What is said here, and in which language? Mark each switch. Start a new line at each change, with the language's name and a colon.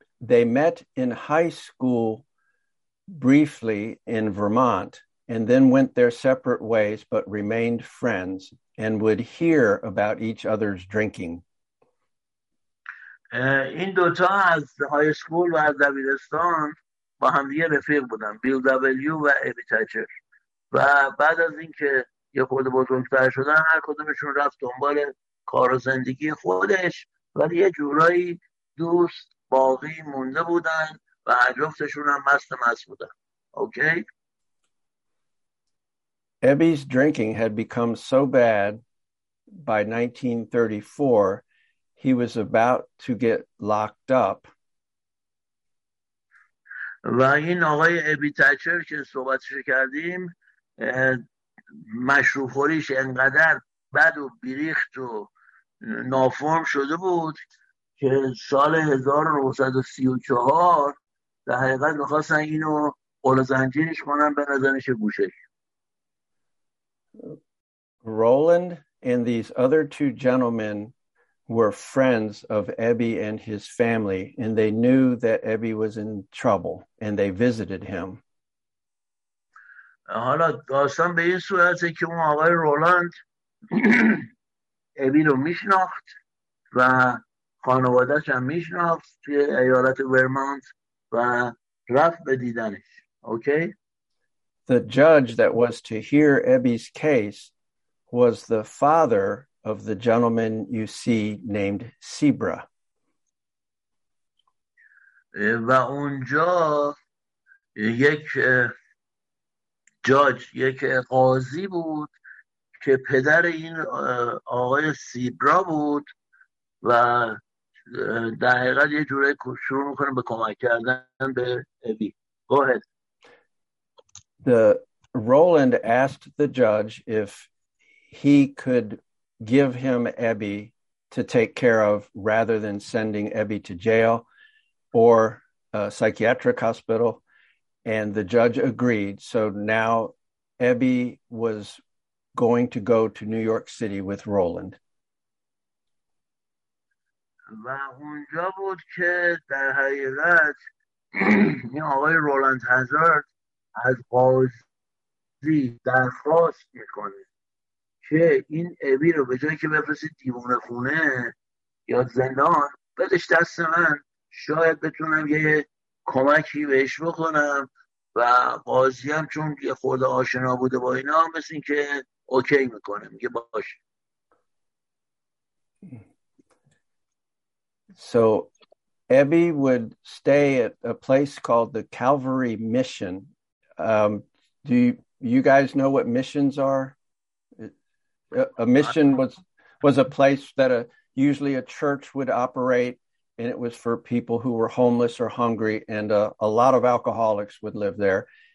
English: they met in high school briefly in Vermont and then went their separate ways but remained friends and would hear about each other's drinking
Persian: این دوتا از های اسکول و از دبیرستان با هم دیگه رفیق بودن بیل دبلیو و ابی تچر و بعد از اینکه یه خود بزرگتر شدن هر کدومشون رفت دنبال کار و زندگی خودش ولی یه جورایی دوست باقی مونده بودن و هر جفتشون هم مست مست بودن اوکی
English: Abby's drinking had become so bad by 1934 he was about to get locked up
Persian: و این آقای ابی تچر که صحبتش کردیم مشروب خوریش انقدر بد و بیریخت و نافرم شده بود که سال 1934 در حقیقت میخواستن اینو قل زنجیرش کنن به نزنش گوشش
English: Roland and these other two gentlemen were friends of Abby and his family and they knew that Abby was in trouble and they visited him
Persian: حالا داستان به این صورته که اون آقای رولاند ابی رو میشناخت و خانوادهش هم میشناخت توی ایالت ورمانت و رفت به دیدنش اوکی
English: The judge that was to hear Abby's case was the father of the gentleman you see named Sebra
Persian: و اونجا یک جاج یک قاضی بود که پدر این آقای سیبرا بود و در حقیقت یه جوره شروع میکنه به کمک کردن به ابی.
English: Go ahead. The Roland asked the judge if he could give him Ebi to take care of rather than sending Ebi to jail or a psychiatric hospital, and the judge agreed. So now Ebi was going to go to New York City with Roland.
Persian: و اونجا بود که در حقیقت این آقای رولاند هزارد از قاضی درخواست میکنه که این ابی رو به جایی که بفرسته دیوانه خونه یا زندان بدش دست من، شاید بتونم یه کمکی بهش بکنم. و قاضی هم چون یه خود آشنا بوده با اینا مثل این که اوکی میکنه، میگه باشه.
English: So Ebi would stay at a place called the Calvary Mission. Do you guys know what missions are? A mission was a place that usually a church would operate, and it was for people who were homeless or hungry, and a lot of alcoholics would live there.